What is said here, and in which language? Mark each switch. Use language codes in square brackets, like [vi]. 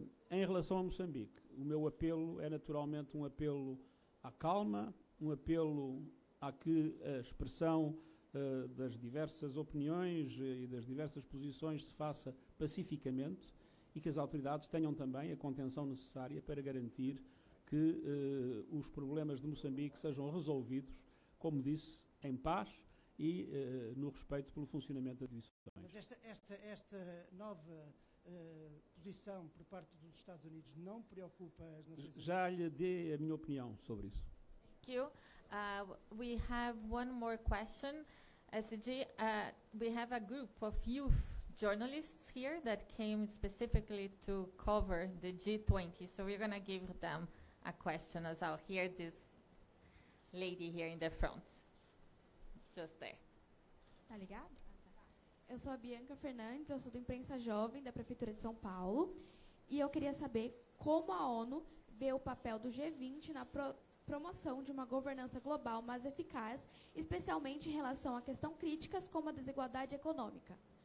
[pt] Em relação a Moçambique, o meu apelo é naturalmente um apelo à calma, um apelo a que a expressão das diversas opiniões e das diversas posições se faça pacificamente e que as autoridades tenham também a contenção necessária para garantir que os problemas de Moçambique sejam resolvidos, como disse, em paz e no respeito pelo funcionamento das instituições. Mas esta nova posição por parte dos Estados Unidos não preocupa as Nações Unidas? Já lhe dei a minha opinião sobre isso. [en] Thank you. We have one more question. SG, we have a group of youth journalists here that came specifically to cover the G20. So we're going to give them a question as I'll hear this lady here in the front. Just there. [pt] Tá ligado? Eu sou a Bianca Fernandes, eu sou do Imprensa Jovem da Prefeitura de São Paulo. E eu queria saber como a ONU vê o papel do G20 na promoção de uma governança global mais eficaz, especialmente em relação a questões críticas como a desigualdade econômica.